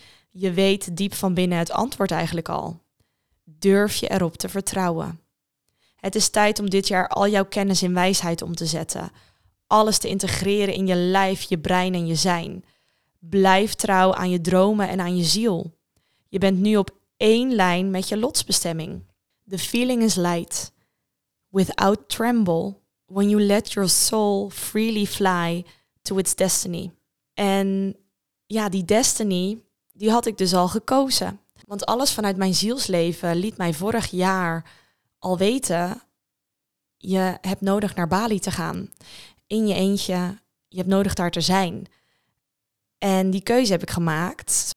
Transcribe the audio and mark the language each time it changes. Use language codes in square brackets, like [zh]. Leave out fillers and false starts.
[nl] Je weet diep van binnen het antwoord eigenlijk al. Durf je erop te vertrouwen. Het is tijd om dit jaar al jouw kennis in wijsheid om te zetten. Alles te integreren in je lijf, je brein en je zijn. Blijf trouw aan je dromen en aan je ziel. Je bent nu op één lijn met je lotsbestemming. [en] The feeling is light. Without tremble, when you let your soul freely fly to its destiny. [nl] En ja, die destiny, die had ik dus al gekozen. Want alles vanuit mijn zielsleven liet mij vorig jaar al weten, je hebt nodig naar Bali te gaan. In je eentje, je hebt nodig daar te zijn. En die keuze heb ik gemaakt.